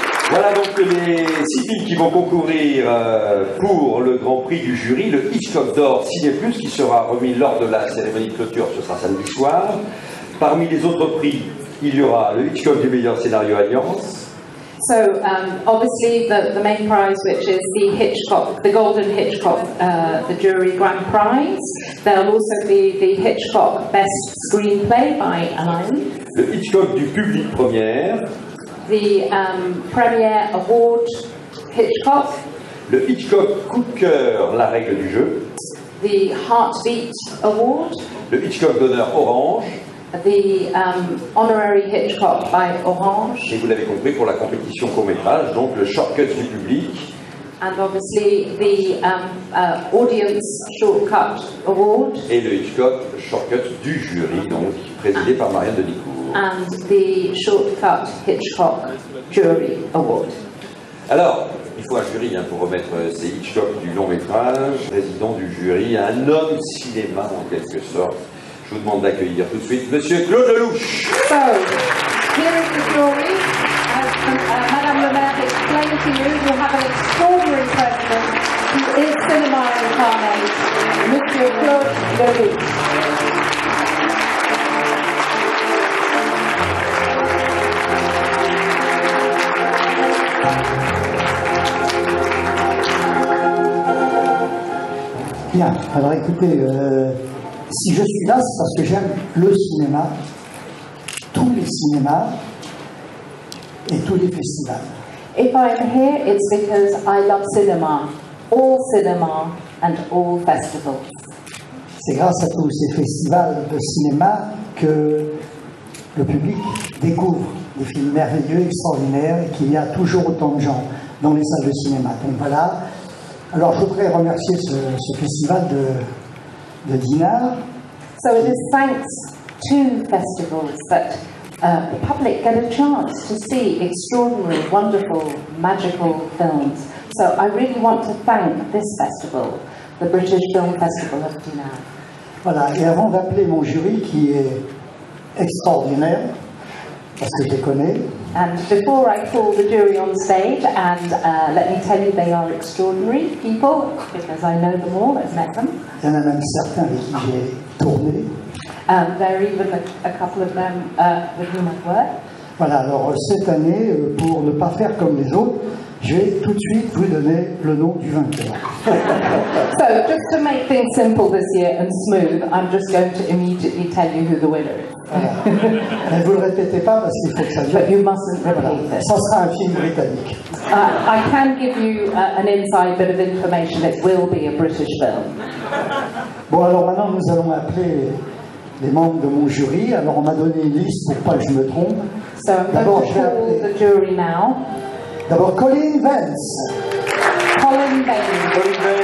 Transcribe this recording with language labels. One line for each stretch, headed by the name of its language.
French: Voilà donc les six films qui vont concourir pour le Grand Prix du jury, le Hitchcock d'Or Ciné Plus, qui sera remis lors de la cérémonie de clôture, ce sera samedi soir. Parmi les autres prix, il y aura le Hitchcock du meilleur scénario Alliance.
English: So, obviously, the main prize, which is the Hitchcock, the Golden Hitchcock, the jury grand prize. There'll also be the Hitchcock Best Screenplay by Alliance.
French: Le Hitchcock du public première.
English: The Premier Award Hitchcock.
French: Le Hitchcock coup de cœur, la règle du jeu.
English: The Heartbeat Award.
French: Le Hitchcock d'honneur orange.
English: The Honorary Hitchcock by Orange.
French: Et vous l'avez compris, pour la compétition court-métrage, donc le Shortcut du public.
English: And obviously the Audience Shortcut Award.
French: Et le Hitchcock Shortcut du jury, donc présidé par Marianne Denicourt.
English: And the Shortcut Hitchcock Jury Award.
French: Alors, il faut un jury hein, pour remettre ces Hitchcock du long métrage. Président du jury, un homme cinéma en quelque sorte. Je vous demande d'accueillir tout de suite Monsieur Claude Lelouch.
English: So, here is the jury. As Madame Le Maire explained to you, you have an extraordinary president who is cinema incarnate, Monsieur Claude Lelouch.
French: Bien, alors écoutez, si je suis là, c'est parce que j'aime le cinéma, tous les cinémas et tous les festivals.
English: If I'm here, it's because I love cinema and all festivals.
French: C'est grâce à tous ces festivals de cinéma que le public découvre des films merveilleux, extraordinaires et qu'il y a toujours autant de gens dans les salles de cinéma. Donc voilà. Alors, je voudrais remercier ce festival de Dinard.
English: So it is thanks to festivals that the public get a chance to see extraordinary, wonderful, magical films. So I really want to thank this festival, the British Film Festival of Dinard.
French: Voilà, et avant d'appeler mon jury qui est extraordinaire, parce que je les connais.
English: And before I call the jury on stage, and let me tell you, they are extraordinary people, because I know them all, I've met them.
French: Il y en a même certains avec qui j'ai tourné.
English: There are even a couple of them with whom I've worked.
French: Voilà, alors cette année, pour ne pas faire comme les autres, je vais tout de suite vous donner le nom du vainqueur.
English: So, just to make things simple this year and smooth, I'm just going to immediately tell you who the winner is.
French: Ne voilà. Vous le répétez pas parce qu'il faut que ça dure.
English: But you mustn't repeat it.
French: Ça sera un film britannique.
English: I can give you an inside bit of information. It will be a British film.
French: Bon, alors maintenant nous allons appeler les membres de mon jury. Alors on m'a donné une liste pour pas que je me trompe.
English: So I'm
French: d'abord,
English: going to call
French: appeler...
English: the jury now.
French: D'abord, Colin Vance. Colin Vance.